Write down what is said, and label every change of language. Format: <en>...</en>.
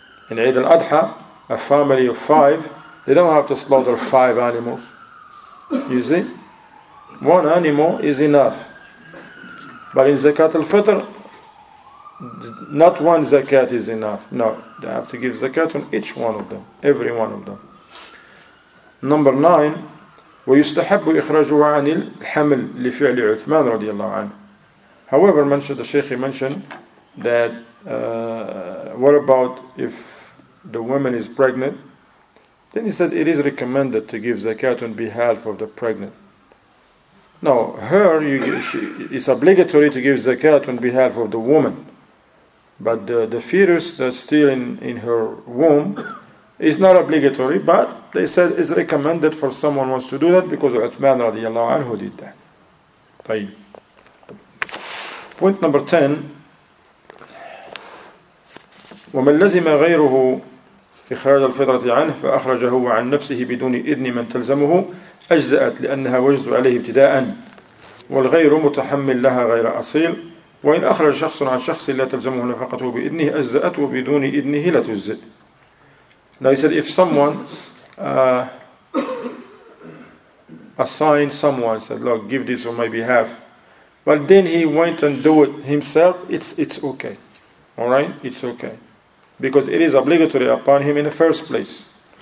<en>In Eid al-Adha, a family of five, they don't have to slaughter five animals. You see? One animal is enough. But in Zakat al-Fitr, not one Zakat is enough. No, they have to give Zakat on each one of them, every one of them. Number 9,</en> <ar>وَيُسْتَحَبُّ إِخْرَاجُهُ عَنِ الْحَمْلِ لِفِعْلِ عُثْمَانَ رَضِيَ اللَّهُ عَنْهُ.</ar> <en>However, the Shaykh mentioned that what about if the woman is pregnant? Then he said it is recommended to give zakat on behalf of the pregnant. Now, it's obligatory to give zakat on behalf of the woman. But the fetus that's still in her womb is not obligatory, but they said it's recommended for someone wants to do that because Uthman radiallahu anhu did that. طيب. Point number 10.</en> <ar>ومن لزم غيره إخراج الفطرة عنه فأخرج هو عن نفسه بدون إذن من تلزمه أجزأت لأنها وجد عليه ابتداء والغير متحمل لها غير أصيل وإن أخرج شخص عن شخص لا تلزمه نفقته بإذنه أجزأته بدون إذنه لا تجزئ.</ar> <en>Now he said if someone assigned someone, said look, give this on my behalf. But then he went and do it himself, it's okay. Alright? It's okay. Because it is obligatory upon him in the first place.</en>